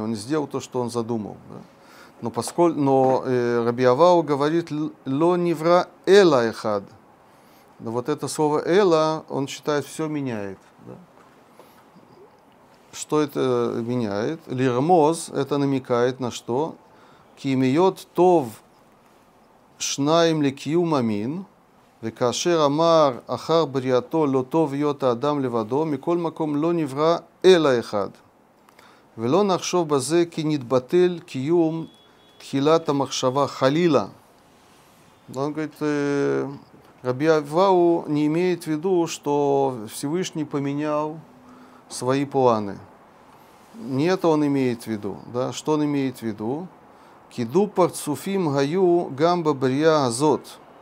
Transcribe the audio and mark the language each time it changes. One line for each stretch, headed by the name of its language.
Russian: Он сделал то, что он задумал. Да. Но Раби Авау говорит
Hebrew: «Ло невра эла эхад».
Russian: Но вот это слово «эла» он считает «все меняет». Да. Что это меняет? «Лирмоз» — это намекает на что?
Hebrew: «Кимиот тов шнаим ликьюм амин». וכאשר אמר אחר בריאתו לא טוב להיות האדם לבדו, מכל מקום לא נברא אלא אחד. ולא נחשוב בזה כי נתבטל קיום תחילת המחשבה חלילה.
Russian: Он говорит, Раби Авау не имеет в виду, что Всевышний поменял свои планы. Не это он имеет в виду. Да? Что он имеет в виду?
Hebrew: Киду парцуфим гаю гамба брия азот.